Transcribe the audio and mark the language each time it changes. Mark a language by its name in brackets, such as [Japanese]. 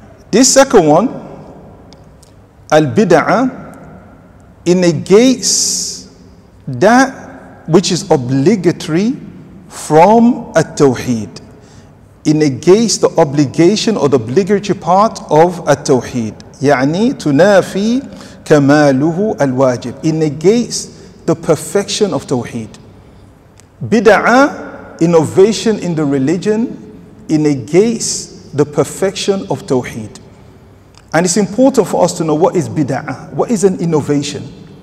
[English] This second one, al-bid'ah, it negates that which is obligatory from a tawheed. It negates the obligation or the obligatory part of a tawheed. [Arabic] يعني تنافي كماله الواجب. [English] It negates the perfection of tawheed. Bid'ah, innovation in the religion, it negates the perfection of tawheed. And it's important for us to know what is bid'ah, what is an innovation.